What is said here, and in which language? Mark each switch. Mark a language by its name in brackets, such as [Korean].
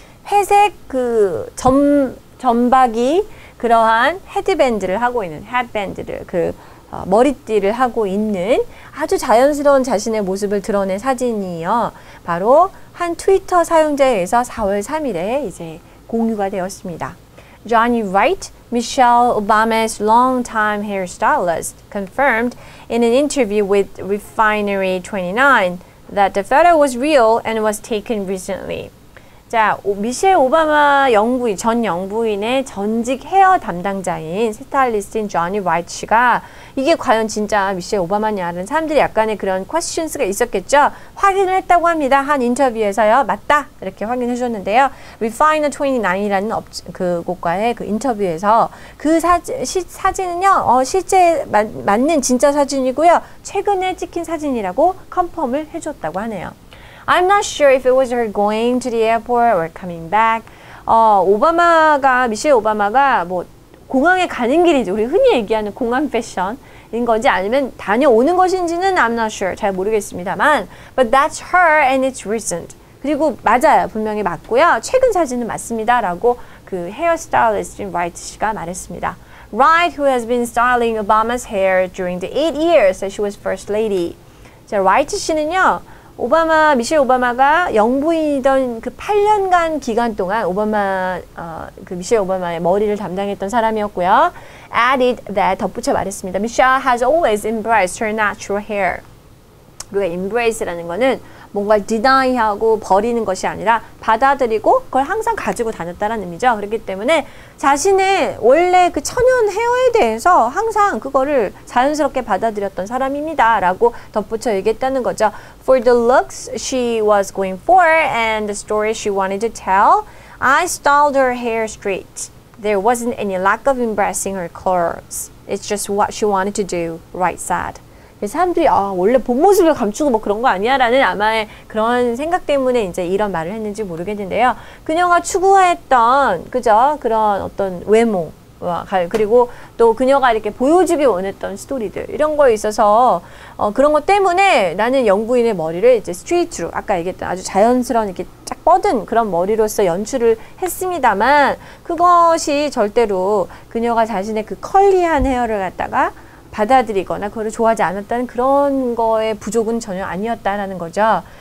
[Korean] 회색 그 점박이 그러한 헤드밴드를 하고 있는, 헤드밴드를, 그, 머리띠를 하고 있는 아주 자연스러운 자신의 모습을 드러낸 사진이요. 바로 한 트위터 사용자에 의해서 4월 3일에 이제 공유가 되었습니다. [English] Johnny Wright, Michelle Obama's longtime hairstylist, confirmed in an interview with Refinery29 that the photo was real and was taken recently. [Korean] 자, 미셸 오바마 영부인, 전 영부인의 전직 헤어 담당자인 스타일리스트인 조니 와이트 씨가 이게 과연 진짜 미셸 오바마냐는 사람들이 약간의 그런 퀘션스가 있었겠죠? 확인을 했다고 합니다. 한 인터뷰에서요. 맞다! 이렇게 확인해 주셨는데요. Refiner29이라는 그곳과의 그 인터뷰에서 그 사진은요, 실제 맞는 진짜 사진이고요. 최근에 찍힌 사진이라고 컨펌을 해 줬다고 하네요. [English] I'm not sure if it was her going to the airport or coming back. [Korean] 오바마가, 미셸 오바마가 뭐 공항에 가는 길이지, 우리 흔히 얘기하는 공항 패션인 건지 아니면 다녀오는 것인지는 [English] I'm not sure, [Korean] 잘 모르겠습니다만. [English] But that's her and it's recent. [Korean] 그리고 맞아요, 분명히 맞고요. 최근 사진은 맞습니다라고 그 헤어스타일리스트인 라이트 씨가 말했습니다. [English] Wright, who has been styling Obama's hair during the 8 years that she was first lady. [Korean] 자, 라이트 씨는요. 오바마, 미셸 오바마가 영부인이던 그 8년간 기간 동안 그 미셸 오바마의 머리를 담당했던 사람이었고요. [English] Added that, [Korean] 덧붙여 말했습니다. [English] Michelle has always embraced her natural hair. [Korean] 우리가 embrace라는 거는 뭔가 deny하고 버리는 것이 아니라 받아들이고 그걸 항상 가지고 다녔다는 의미죠. 그렇기 때문에 자신의 원래 그 천연 헤어에 대해서 항상 그거를 자연스럽게 받아들였던 사람입니다라고 덧붙여 얘기했다는 거죠. [English] For the looks she was going for and the story she wanted to tell, I styled her hair straight. There wasn't any lack of embracing her curves. It's just what she wanted to do, Wright said. [Korean] 사람들이 원래 본 모습을 감추고 뭐 그런 거 아니야라는 아마의 그런 생각 때문에 이제 이런 말을 했는지 모르겠는데요. 그녀가 추구했던 그죠? 그런 어떤 외모와 그리고 또 그녀가 이렇게 보여주기 원했던 스토리들 이런 거에 있어서 그런 것 때문에 나는 영부인의 머리를 이제 스트레이트로 아까 얘기했던 아주 자연스러운 이렇게 쫙 뻗은 그런 머리로서 연출을 했습니다만 그것이 절대로 그녀가 자신의 그 컬리한 헤어를 갖다가 받아들이거나 그걸 좋아하지 않았다는 그런 거에 부족은 전혀 아니었다라는 거죠.